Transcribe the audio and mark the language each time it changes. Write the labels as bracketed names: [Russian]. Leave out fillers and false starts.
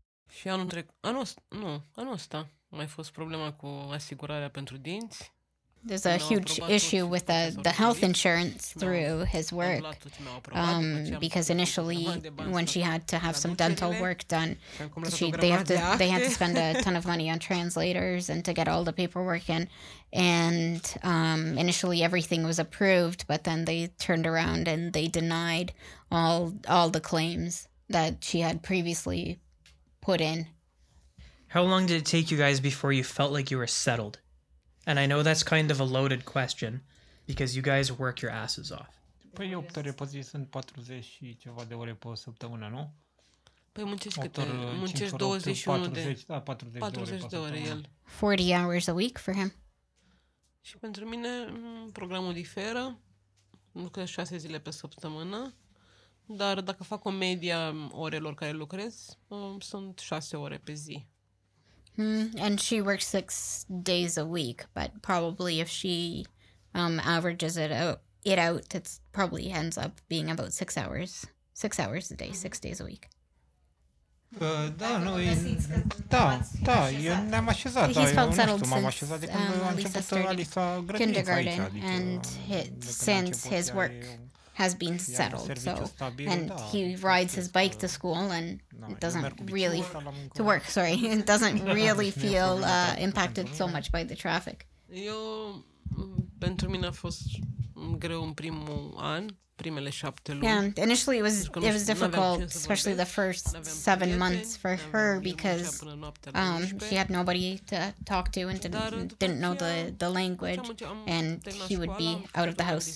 [Romanian] Și anul trecut, anul ăsta, mai fost problema cu asigurarea pentru dinți. [English] There's a huge issue with the health insurance through his work, because initially, when she had to have some dental work done, they had to spend a ton of money on translators and to get all the paperwork in. And initially, everything was approved, but then they turned around and they denied all the claims that she had previously put in. How long did it take you guys before you felt like you were settled? And I know that's kind of a loaded question, because you guys work your asses off. [Romanian] Păi 8 ore pe zi sunt 40 și ceva de ore pe săptămână, nu? Păi muncești cât? Muncești 21 de... 40 de ore el. [English] 40 hours a week for him. [Romanian] Și pentru mine programul diferă. Lucrez 6 zile pe săptămână. Dar dacă fac o media orelor care lucrez, sunt 6 ore pe zi. [English] And she works 6 days a week, but probably if she averages it out, it probably ends up being about 6 hours. 6 hours a day, 6 days a week. [Romanian] Da, noi... Da, eu ne-am așezat. [English] He's felt settled since kindergarten, and since his work has been settled, so, and he rides his bike to school and doesn't really feel impacted so much by the traffic. [Romanian] Eu, pentru mine a fost greu în primul an, primele 7 luni. [English] Yeah, initially it was difficult, especially the first 7 months for her, because she had nobody to talk to and didn't know the language, and he would be out of the house.